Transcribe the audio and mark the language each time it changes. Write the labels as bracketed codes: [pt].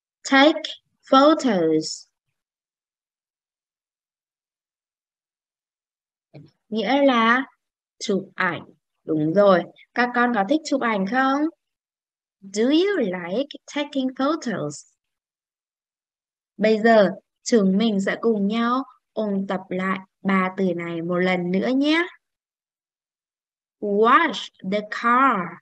[en] Take photos. [vi] Nghĩa là chụp ảnh. Đúng rồi. Các con có thích chụp ảnh không? [en] Do you like taking photos? [vi] Bây giờ, chúng mình sẽ cùng nhau ôn tập lại 3 từ này một lần nữa nhé. [en] Wash the car.